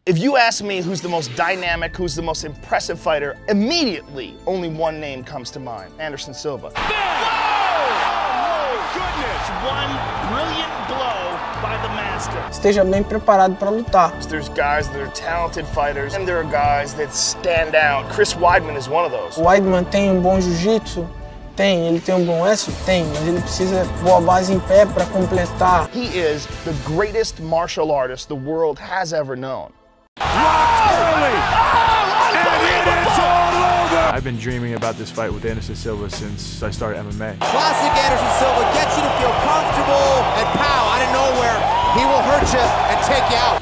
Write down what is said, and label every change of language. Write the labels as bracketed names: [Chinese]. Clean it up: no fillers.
[English] If you ask me who's the most dynamic, who's the most impressive fighter, immediately only one name comes to mind, Anderson Silva. Bam! Whoa! Goodness, one brilliant blow by the master. [Portuguese] Esteja bem preparado para lutar. [English] There's guys that are talented fighters, and there are guys that stand out. Chris Weidman is one of those. [Portuguese] Weidman tem bom jiu-jitsu? Tem, ele tem bom wrestle? Tem, mas ele precisa boa base em pé para completar. [English] He is the greatest martial artist the world has ever known. I've been dreaming about this fight with Anderson Silva since I started MMA. Classic Anderson Silva gets you to feel comfortable, and pow, out of nowhere, he will hurt you and take you out.